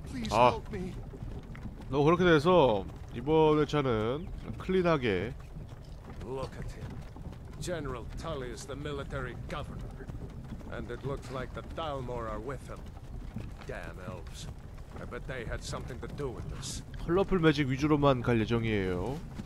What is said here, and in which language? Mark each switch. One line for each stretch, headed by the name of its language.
Korean: 아, 너 그렇게 돼서 이번 회차는 클린하게.
English: Look at him. General Talia is the military governor. And it looks like the Dalmor are with him. Damn elves. I bet they had something to do with this.
Korean: 컬러풀 매직 위주로만 갈 예정이에요.